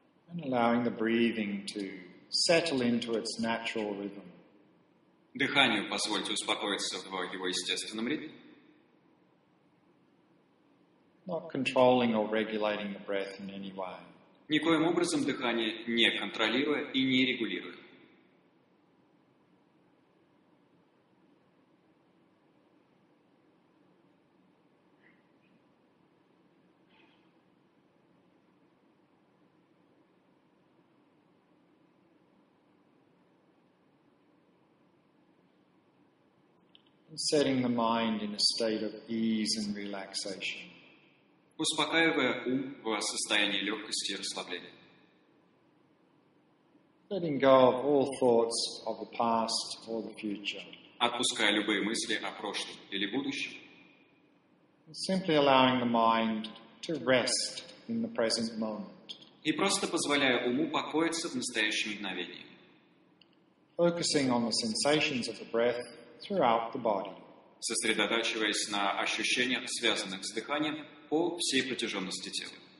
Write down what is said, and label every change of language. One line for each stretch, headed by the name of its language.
English: And allowing the breathing to settle into its natural rhythm.
Russian: Дыханию позвольте успокоиться в его естественном ритме.
English: Not controlling or regulating the breath in any way.
Russian: Никоим образом дыхание не контролируя и не регулируя.
English: Setting the mind in a state of ease and relaxation.
Russian: Успокаивая ум в состоянии легкости и расслабления.
English: Letting go of all thoughts of the past or the future.
Russian: Отпуская любые мысли о прошлом или будущем.
English: Simply allowing the mind to rest in the present moment.
Russian: И просто позволяя уму покоиться в настоящем мгновении.
English: Focusing on the sensations of the breath throughout the body.
Russian: Сосредотачиваясь на ощущениях, связанных с дыханием по всей протяженности тела.